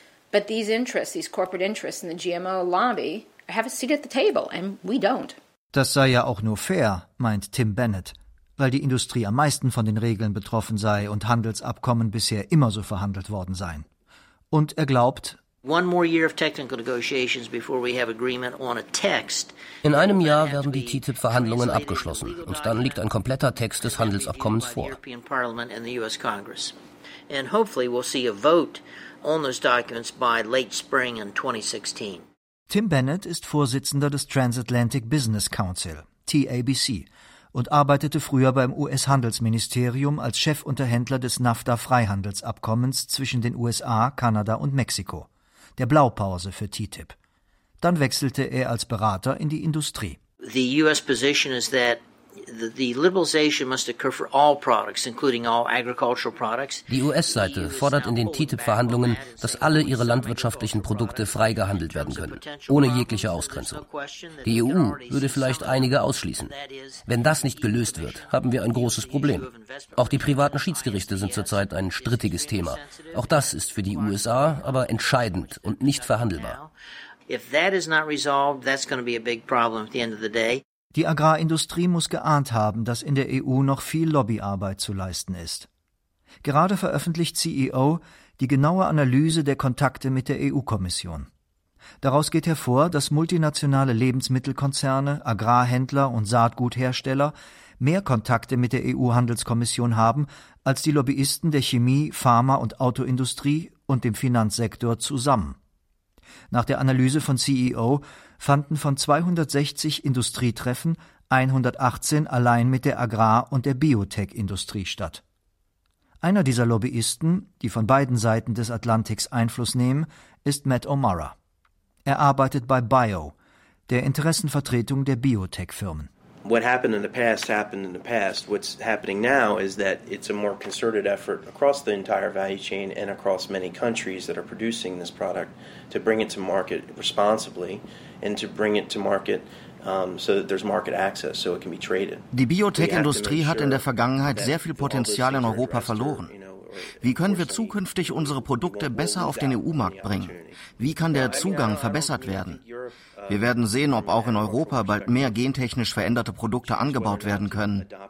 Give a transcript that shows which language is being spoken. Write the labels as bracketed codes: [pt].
[en] But these interests, these corporate interests in the GMO lobby have a seat at the table and we don't. [de] Das sei ja auch nur fair, meint Tim Bennett, weil die Industrie am meisten von den Regeln betroffen sei und Handelsabkommen bisher immer so verhandelt worden seien. Und er glaubt, [en] one more year of technical negotiations before we have agreement on a text. [de] In einem Jahr werden die TTIP-Verhandlungen abgeschlossen und dann liegt ein kompletter Text des Handelsabkommens vor. [en] And hopefully we'll see a vote on those documents by late spring in 2016. [de] Tim Bennett ist Vorsitzender des Transatlantic Business Council, TABC, und arbeitete früher beim US-Handelsministerium als Chefunterhändler des NAFTA-Freihandelsabkommens zwischen den USA, Kanada und Mexiko, der Blaupause für TTIP. Dann wechselte er als Berater in die Industrie. [en] the U.S. position is that the liberalization must occur for all products, including all agricultural products. [de] Die US-Seite fordert in den TTIP-Verhandlungen, dass alle ihre landwirtschaftlichen Produkte frei gehandelt werden können, ohne jegliche Ausgrenzung. Die EU würde vielleicht einige ausschließen. Wenn das nicht gelöst wird, haben wir ein großes Problem. Auch die privaten Schiedsgerichte sind zurzeit ein strittiges Thema. Auch das ist für die USA aber entscheidend und nicht verhandelbar. [en] If that is not resolved, that's going to be a big problem at the end of the day. [de] Die Agrarindustrie muss geahnt haben, dass in der EU noch viel Lobbyarbeit zu leisten ist. Gerade veröffentlicht CEO die genaue Analyse der Kontakte mit der EU-Kommission. Daraus geht hervor, dass multinationale Lebensmittelkonzerne, Agrarhändler und Saatguthersteller mehr Kontakte mit der EU-Handelskommission haben als die Lobbyisten der Chemie-, Pharma- und Autoindustrie und dem Finanzsektor zusammen. Nach der Analyse von CEO fanden von 260 Industrietreffen 118 allein mit der Agrar- und der Biotech-Industrie statt. Einer dieser Lobbyisten, die von beiden Seiten des Atlantiks Einfluss nehmen, ist Matt O'Mara. Er arbeitet bei Bio, der Interessenvertretung der Biotech-Firmen. [en] What happened in the past happened in the past. What's happening now is that it's a more concerted effort across the entire value chain and across many countries that are producing this product to bring it to market responsibly and to bring it to market so that there's market access, so it can be traded. [de] Die Biotech-Industrie hat in der Vergangenheit sehr viel Potenzial in Europa verloren. Wie können wir zukünftig unsere Produkte besser auf den EU-Markt bringen? Wie kann der Zugang verbessert werden? Wir werden sehen, ob auch in Europa bald mehr gentechnisch veränderte Produkte angebaut werden können.